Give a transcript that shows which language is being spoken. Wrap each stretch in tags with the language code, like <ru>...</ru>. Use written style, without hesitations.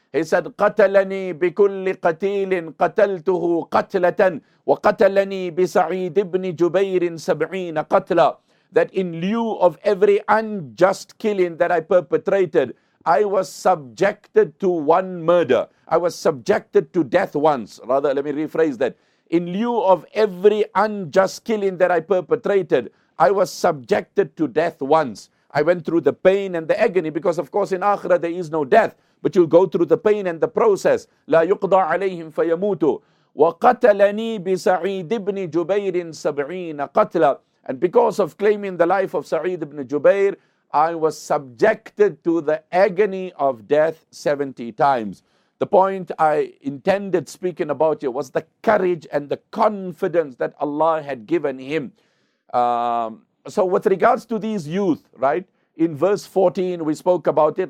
<en>He said,</en> <ar>قَتَلَنِي بِكُلِّ قَتِيلٍ قَتَلْتُهُ قَتْلَةً وَقَتَلَنِي بِسَعِيدِ ابْنِ جُبَيْرٍ سَبْعِينَ قَتْلًا.</ar> <en>That in lieu of every unjust killing that I perpetrated, I was subjected to one murder. I was subjected to death once. Rather, let me rephrase that. In lieu of every unjust killing that I perpetrated, I was subjected to death once. I went through the pain and the agony, because of course in Akhirah there is no death, but you'll go through the pain and the process.</en> <ar>لا يقضى عليهم فيموتوا وقتلني بسعيد بن جبير 70 قتلا.</ar> <en>And because of claiming the life of Sa'id ibn Jubayr, I was subjected to the agony of death 70 times. The point I intended speaking about here was the courage and the confidence that Allah had given him. So with regards to these youth, right? In verse 14, we spoke about it.</en>